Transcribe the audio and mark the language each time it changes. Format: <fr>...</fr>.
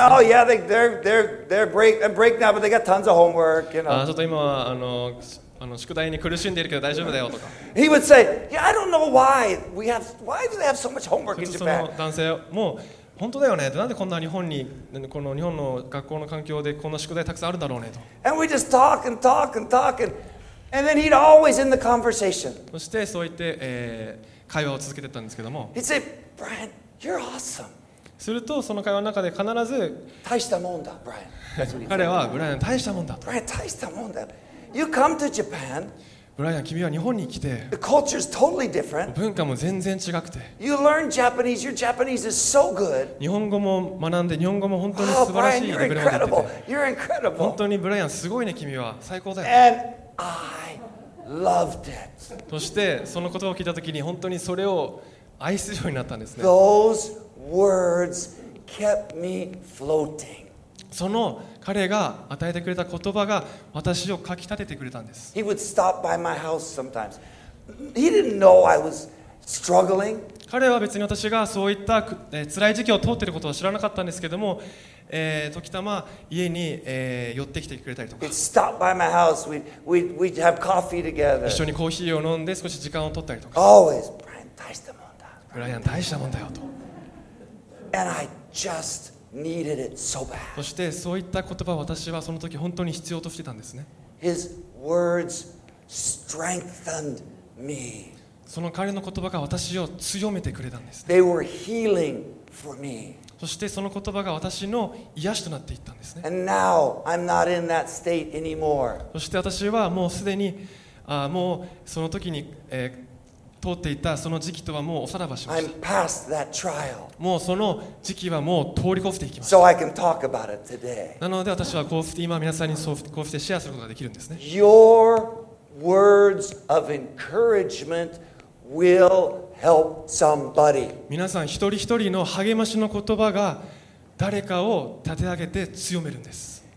<en>Oh yeah, they're breaking up, but they got tons of homework. You know.</en> <ja>ちょっと今あの宿題に苦しんでいるけど大丈夫だよとか。</ja> <en>He would say, yeah, I don't know why we have, why do they have so much homework in Japan?</en> <ja>その男性も本当だよね。なんでこんな日本に、この日本の学校の環境でこんな宿題たくさんあるんだろうねと。</ja> <en>And we just talk and talk and talk and then he'd always end the conversation.</en> <ja>そしてそう言って、会話を続けてたんですけども。</ja> <en>He'd say, Brian, you're awesome.</en> <ja>するとその会話の中で必ず大したもんだ、ブライアン。彼はブライアン大したもんだと。ブライアン大したもんだ。</ja> <en>You come to Japan.</en> <ja>ブライアン君は日本に来て。</ja> <en>The culture is totally different.</en> <ja>文化も全然違くて。</ja> <en>You learn Japanese. Your Japanese is so good.</en> <ja>日本語も学んで日本語も本当に素晴らしいレベルまで出てて。</ja> <en>Oh, Brian, you're incredible.</en> <ja>本当にブライアンすごいね君は。最高だよ。</ja> <en>And I loved it.</en> <ja>そしてそのことを聞いたときに本当にそれを愛するようになったんですね。</ja> <en>Those words kept me floating.</en> <ja>その彼が与えてくれた言葉が私をかき立ててくれたんです。</ja> <en>He would stop by my house sometimes. He didn't know I was struggling.</en> <ja>彼は別に私がそういった辛い時期を通っていることは知らなかったんですけども、時たま家に、寄ってきてくれたりとか。</ja> <en>He'd stop by my house. We'd have coffee together.</en> <ja>一緒にコーヒーを飲んで少し時間を取ったりとか。</ja> <en>Always, Brian,</en> <ja>大したもんだ。ブライアン大したもんだよと。</ja> <en>And I just needed it so bad.</en> <ja>そしてそういった言葉を私はその時本当に必要としてたんですね。</ja> <en>His words strengthened me.</en> <ja>その彼の言葉が私を強めてくれたんです、ね。</ja> <en>They were healing for me.</en> <ja>そしてその言葉が私の癒しとなっていったんですね。</ja> <en>And now I'm not in that state anymore.</en> <ja>そして私はもうすでにもうその時に、通っていたその時期とはもうおさらばしました。もうその時期はもう通り越していきました。</ja> <en>So、</en> <ja>なので私はこうして今皆さんにそうこうしてシェアすることができるんですね。</ja> <en>Your words of encouragement will help somebody.</en> <ja>皆さん一人一人の励ましの言葉が誰かを立て上げて強めるんです。</ja>